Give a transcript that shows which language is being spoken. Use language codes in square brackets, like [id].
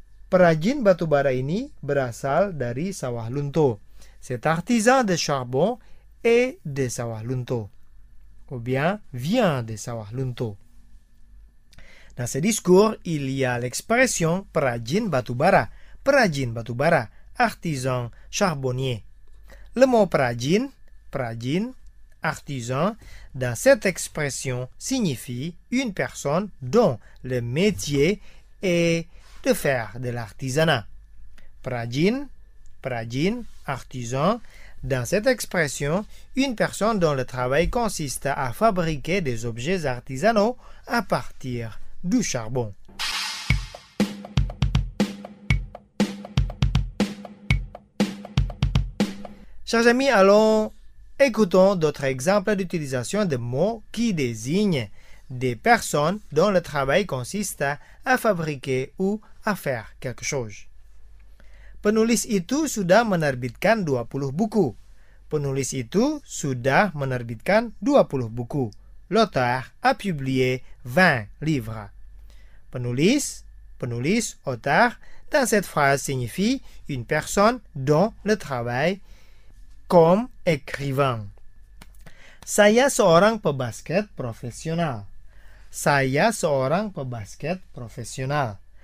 [id] Prajin batubara ini berasal dari Sawahlunto. [fr] Cet artisan de charbon est de Sawahlunto. Ou bien vient de Sawahlunto. Dans ce discours, il y a l'expression Prajin batubara. Prajin batubara, artisan charbonnier. Le mot Prajin, Prajin, artisan, dans cette expression signifie une personne dont le métier est de faire de l'artisanat. Prajin, Prajin, artisan, dans cette expression, une personne dont le travail consiste à fabriquer des objets artisanaux à partir du charbon. Chers amis, allons écoutons d'autres exemples d'utilisation de mots qui désignent des personnes dont le travail consiste à fabriquer ou à faire quelque chose. [id] Penulis itu sudah menerbitkan 20 buku. Penulis itu sudah menerbitkan 20 buku. [fr] L'auteur a publié 20 livres. Penulis, penulis, auteur, dans cette phrase signifie une personne dont le travail comme écrivain. [id] Saya seorang pebasket profesional. Saya seorang pebasket profesional.